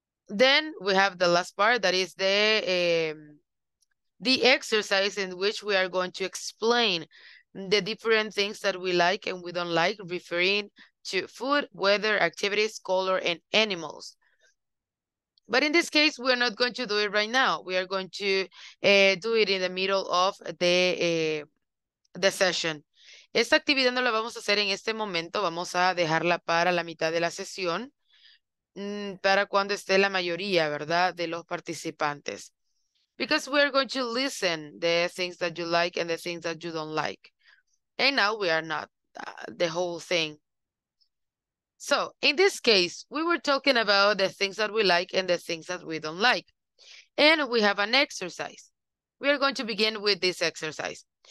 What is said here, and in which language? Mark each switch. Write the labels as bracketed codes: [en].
[en] Then we have the last part that is the exercise in which we are going to explain the different things that we like and we don't like, referring to food, weather, activities, color, and animals. But in this case, we're not going to do it right now. We are going to do it in the middle of the session. [es] Esta actividad no la vamos a hacer en este momento. Vamos a dejarla para la mitad de la sesión, para cuando esté la mayoría, ¿verdad?, de los participantes. [en] Because we are going to listen the things that you like and the things that you don't like. And now we are not the whole thing. So in this case, we were talking about the things that we like and the things that we don't like. And we have an exercise. We are going to begin with this exercise.